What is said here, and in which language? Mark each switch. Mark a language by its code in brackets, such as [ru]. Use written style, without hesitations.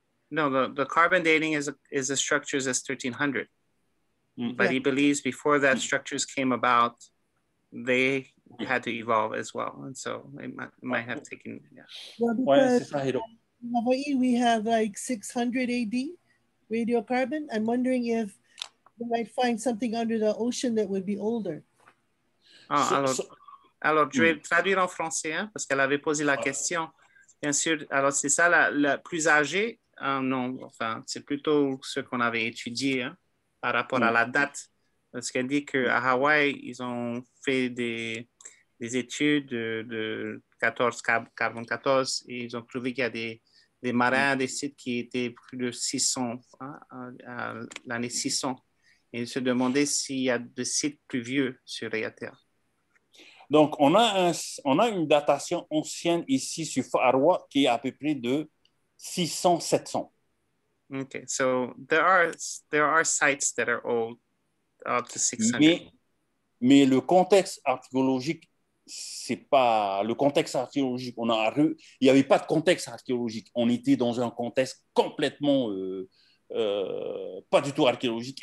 [en] No, the carbon dating is the structures as 1,300. But he believes before that structures came about, they had to evolve as well. And so it might have taken, yeah. Well, because in Hawaii, we have like 600 AD radiocarbon. I'm wondering if we might find something under the ocean that would be older. [fr] Alors, je vais traduire en français, hein, parce qu'elle avait posé la question. Bien sûr, alors c'est ça, la plus âgée, hein, non, enfin, c'est plutôt ce qu'on avait étudié hein, par rapport à la date. Parce qu'elle dit qu'à Hawaï, ils ont fait des études de 14 carbone, et ils ont trouvé qu'il y a des marins, des sites qui étaient plus de 600, hein, à l'année 600. Et ils se demandaient s'il y a des sites plus vieux sur Raʻiātea. Donc, on a une datation ancienne ici sur Faharoa qui est à peu près de 600-700. OK. [en] So, there are sites that are old, up to 600. [fr] Mais le contexte archéologique, c'est pas... Le contexte archéologique, on a... Il n'y avait pas de contexte archéologique. On était dans un contexte complètement... pas du tout archéologique.